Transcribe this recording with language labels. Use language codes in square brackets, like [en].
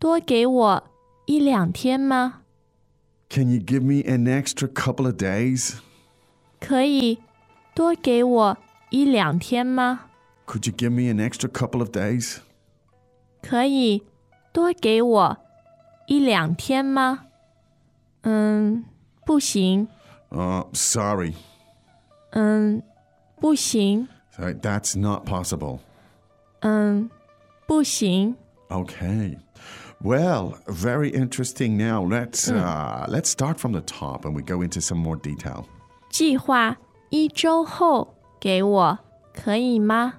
[zh] 我知道,这次辛苦你了。可以多给我一两天吗? [en] Can you give me an extra couple of days? [zh] 可以多给我一两天吗? [en] Could you give me an extra couple of days? [zh] 可以多给我一两天吗? 不行。 [en] Sorry. [zh] 不行。 [en] That's not possible. [zh] 不行。 [en] Okay. Well, very interesting. Now let's start from the top and we go into some more detail. [zh] 计划一周后给我可以吗?